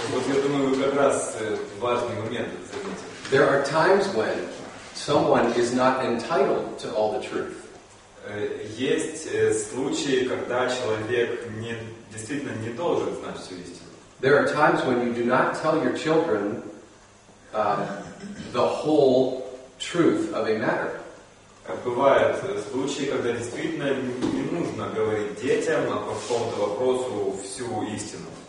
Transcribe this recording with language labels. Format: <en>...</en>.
<ru>Вот я думаю, вы как раз важный момент заметили.</ru> <en>There are times when someone is not entitled to all the truth.</en> <ru>Есть случаи, когда человек действительно не должен знать всю истину.</ru> <en>There are times when you do not tell your children the whole truth of a matter.</en> <ru>Бывают случаи, когда действительно не нужно говорить детям по какому-то вопросу всю истину.</ru>